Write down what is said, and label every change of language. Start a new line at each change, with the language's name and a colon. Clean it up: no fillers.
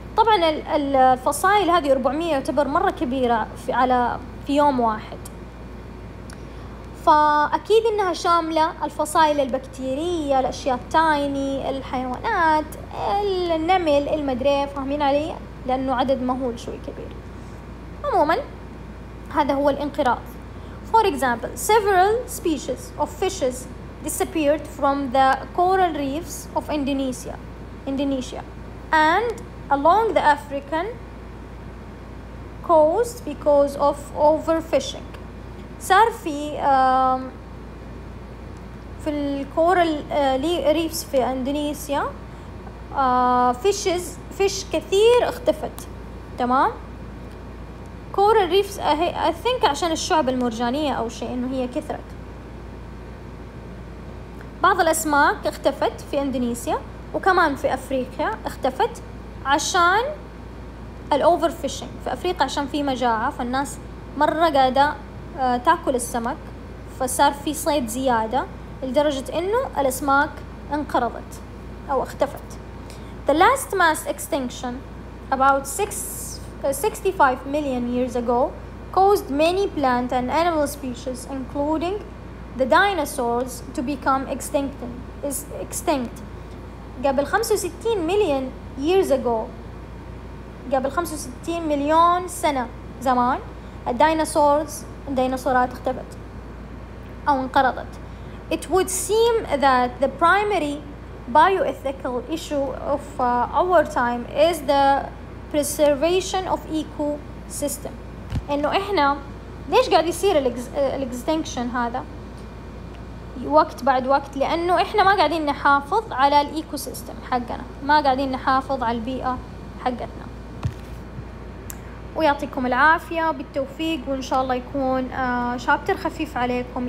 Arabic: طبعا الفصائل هذه 400 يعتبر مره كبيره في على في يوم واحد، فاكيد انها شامله الفصائل البكتيريه، الاشياء التايني، الحيوانات، النمل، المدري، فاهمين علي؟ لانه عدد مهول شوي كبير. عموما هذا هو الانقراض.
English: For example, several species of fishes disappeared from the coral reefs of Indonesia and along the African coast because of overfishing.
Arabic: صار في في الكورال ريفز في اندونيسيا فيشز فيش كثير اختفت، تمام؟ كورال ريفز
English: I think
Arabic: عشان الشعب المرجانيه او شيء، انه هي كثرت. بعض الاسماك اختفت في اندونيسيا وكمان في افريقيا اختفت عشان الاوفر فيشنج. في افريقيا عشان في مجاعه فالناس مره قاعده تاكل السمك، فصار في صيد زياده لدرجه انه الاسماك انقرضت او اختفت.
English: The last mass extinction about 65 million years ago caused many plant and animal species including the dinosaurs to become extinct. Is extinct
Arabic: قبل 65 مليون
English: years ago،
Arabic: قبل 65 مليون سنة زمان الديناصورات اختفت أو انقرضت.
English: It would seem that the primary bioethical issue of our time is the preservation of ecosystem.
Arabic: إنه إحنا ليش قاعد يصير الإكستنكشن هذا وقت بعد وقت؟ لأنه إحنا ما قاعدين نحافظ على الإيكو سيستم حقنا، ما قاعدين نحافظ على البيئة حقتنا. ويعطيكم العافية بالتوفيق، وإن شاء الله يكون شابتر خفيف عليكم.